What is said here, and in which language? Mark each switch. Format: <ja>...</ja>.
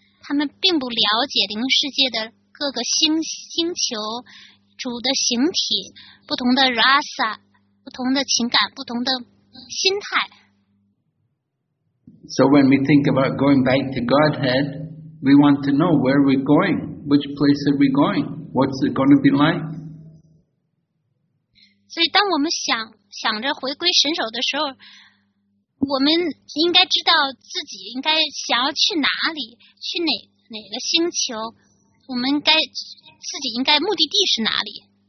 <zh>他们并不了解灵世界的各个星球主的形体，不同的 rasa, 不同的情感，不同的心态。</zh> <en>So when we think about going back to Godhead, we want to know where we're going, which place are we going, what's it going to be like?</en> <zh>所以当我们想着回归神手的时候，我们应该知道自己应该想要去哪里，去哪个星球，我们应该自己应该目的地是哪里。</zh>